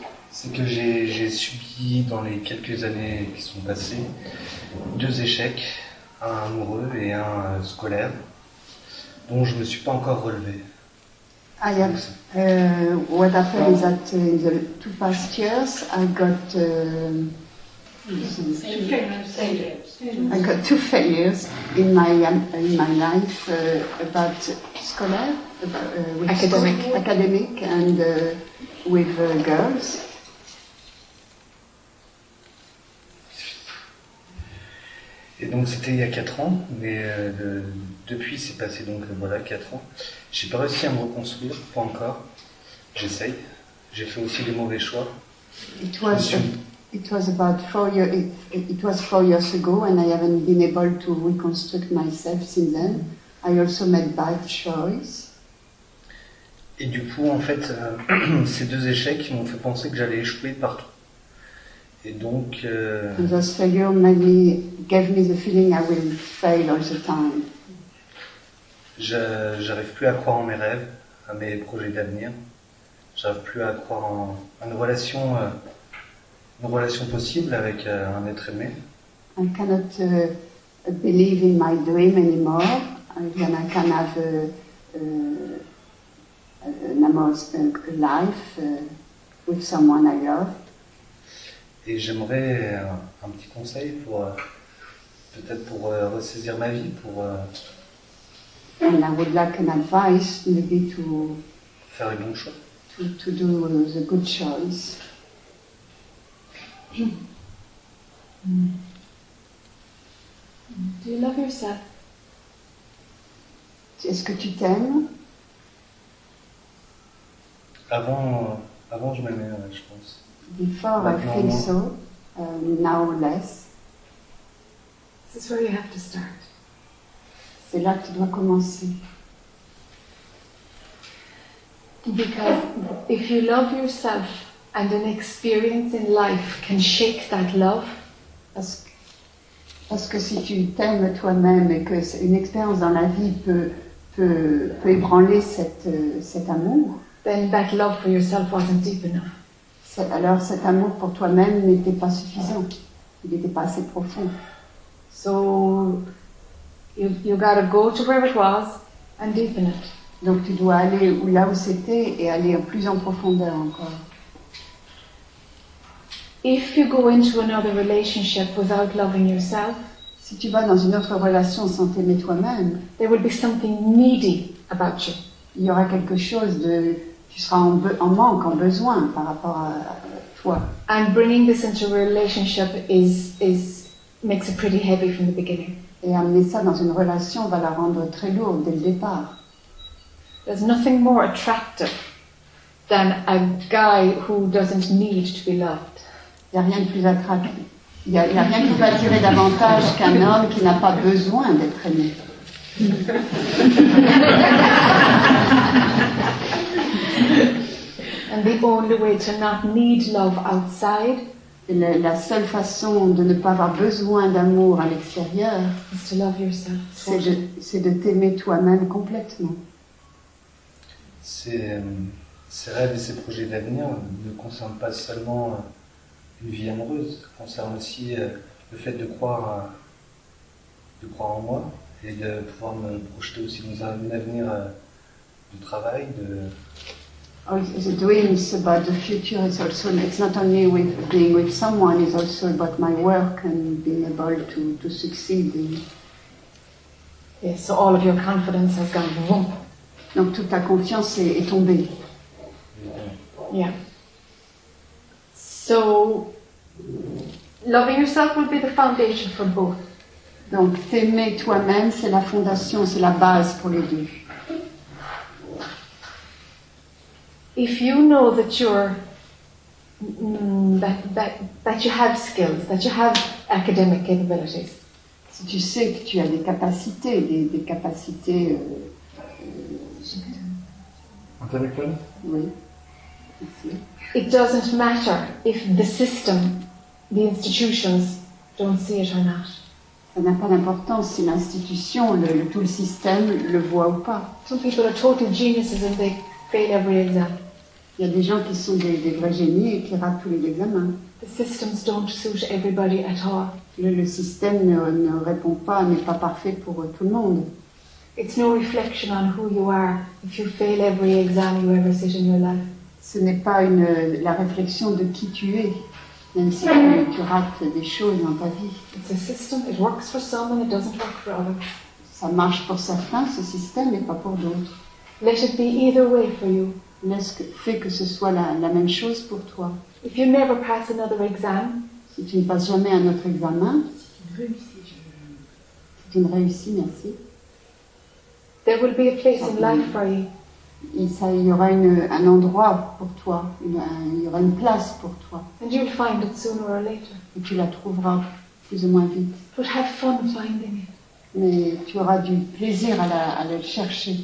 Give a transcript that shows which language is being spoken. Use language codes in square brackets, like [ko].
[fr] C'est que j'ai subi dans les quelques années qui sont passées deux échecs, un amoureux et un scolaire, dont je ne me suis pas encore relevé. [en] I have, what happened is that in the two past years, I got two failures in my life about scholar, with academic, school, academic, and with girls. [fr] Et donc c'était il y a 4 ans, mais depuis c'est passé donc voilà 4 ans. J'ai pas réussi à me reconstruire, pas encore. J'essaye. J'ai fait aussi des mauvais choix. [en] It was 4 years ago, and I haven't been able to reconstruct myself since then. I also made bad choices. [fr] Et du coup, en fait, ces deux échecs m'ont fait penser que j'allais échouer partout. Et donc. [en] Those failures gave me the feeling I will fail all the time. [fr] J'arrive plus à croire en mes rêves, à mes projets d'avenir. J'arrive plus à croire en une relation. Une relation possible avec un être aimé. [en] I cannot believe in my dream anymore, and I can have an amorous life with someone I love. [fr] Et j'aimerais un petit conseil pour peut-être pour ressaisir ma vie, pour. [en] And I would like an advice, maybe to [fr] faire les bons choix. [en] To do the good choice. Do you love yourself? [fr] Est-ce que tu t'aimes? Avant je m'aimais, je pense. [en] Before I feel so, now less. This is where you have to start. [fr] C'est là que tu dois commencer. [en] Because if you love yourself, and an experience in life can shake that love. [fr] Parce que si tu t'aimes toi-même et que une expérience dans la vie peut ébranler cet amour, [en] then that love for yourself wasn't deep enough. [fr] Alors cet amour pour toi-même n'était pas suffisant. Il n'était pas assez profond. [en] So you gotta go to where it was and deepen it. [fr] Donc tu dois aller là où c'était et aller plus en profondeur encore. [en] If you go into another relationship without loving yourself, [fr] si tu vas dans une autre relation sans t'aimer toi-même, [en] there will be something needy about you. [fr] Il y aura quelque chose de, tu seras en manque, en besoin par rapport à toi. [en] And bringing this into a relationship is makes it pretty heavy from the beginning. [fr] Et amener ça dans une relation va la rendre très lourde dès le départ. [en] There's nothing more attractive than a guy who doesn't need to be loved. [fr] Il n'y a rien de plus attractif. Il n'y a rien qui va attirer davantage qu'un homme qui n'a pas besoin d'être aimé. [en] And the only way to not need love outside, [fr] la seule façon de ne pas avoir besoin d'amour à l'extérieur, [en] is to love yourself. [fr] C'est de t'aimer toi-même complètement. Ces rêves et ces projets d'avenir ne concernent pas seulement une vie amoureuse concerne aussi le fait de croire en moi et de pouvoir me projeter aussi dans un avenir de travail. [en] The dreams about the future is also, it's not only with being with someone, it's also about my work and being able to succeed. Yes, so all of your confidence has gone boom. [fr] Donc toute ta confiance est tombée. [en] Yeah. So loving yourself will be the foundation for both. [fr] Donc t'aimer toi-même, c'est la fondation, c'est la base pour les deux. [en] If you know that you're that you have skills, that you have academic capabilities. [fr] Si tu sais que tu as des capacités, des capacités intellectuelles. Oui. [en] It doesn't matter if the system, the institutions, don't see it or not. [fr] Ça n'a pas d'importance si l'institution, tout le système, le voit ou pas. [en] Some people are total geniuses and they fail every exam. [fr] Il y a des gens qui sont des vrais génies et qui ratent tous les examens. [en] The systems don't suit everybody at all. [fr] Le système ne répond pas, n'est pas parfait pour tout le monde. [en] It's no reflection on who you are if you fail every exam you ever sit in your life. [fr] Ce n'est pas la réflexion de qui tu es, même si tu rates des choses dans ta vie. [en] It's a system, it works for some and it doesn't work for others. [fr] Ça marche pour certains, ce système, mais pas pour d'autres. [en] Let it be either way for you. [fr] Fais que ce soit la même chose pour toi. [en] If you never pass another exam, [fr] si tu ne passes jamais un autre examen, si tu ne réussis, merci. [en] There will be a place in life for you. [fr] Il y aura un endroit pour toi, il y aura une place pour toi. [en] And you'll find it sooner or later. [fr] Et tu la trouveras plus ou moins vite. [en] But have fun finding it. [fr] Mais tu auras du plaisir à la chercher.